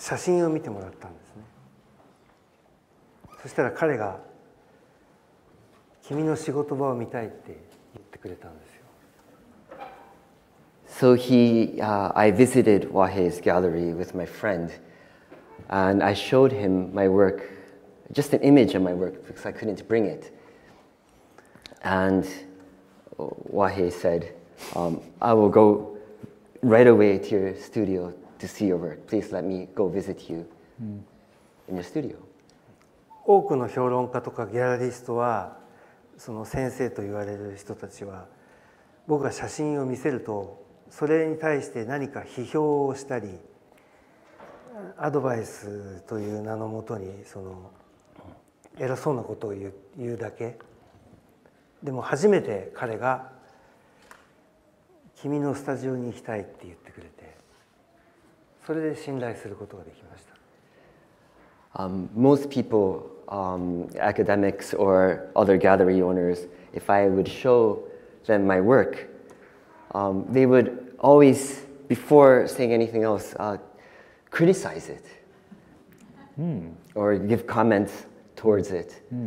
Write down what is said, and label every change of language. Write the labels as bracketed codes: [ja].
[en] visited Wahei's gallery with my friend, and I showed him my work, just an image of my work, because I couldn't bring it. And Wahei said, I will go right away to your studio to see your work. Please let me go visit you in your studio. [ja] 多くの評論家とかギャラリストは、その先生と言われる人たちは、僕が写真を見せると、それに対して何か批評をしたり、アドバイスという名のもとに、その偉そうなことを言うだけ。でも初めて彼が、君のスタジオに行きたいって言ってくれて、それで信頼することができました。 [en] Most people, academics or other gallery owners, if I would show them my work, they would always, before saying anything else, criticize it or give comments towards it.